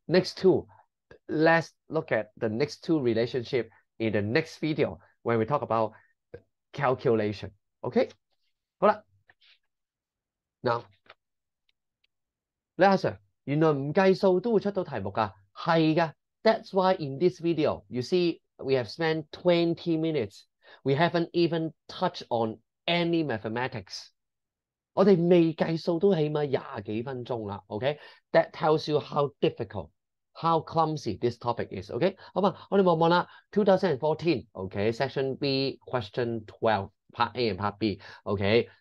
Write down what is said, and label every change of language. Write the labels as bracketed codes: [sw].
[en] Next two, let's look at the next two relationship in the next video when we talk about calculation. [yue] OK? 好了。Now, 李阿 Sir, 原來不計數都會出到題目的。 [en] 是的, that's why in this video, you see, we have spent 20 minutes. We haven't even touched on any mathematics. [yue] 我們未計數都起碼20多分鐘了, OK? [en] That tells you how difficult, how clumsy this topic is, OK? [yue] 好吧, 我們看看啦, 2014, OK? [en] Section B, Question 12, Part A and Part B, OK?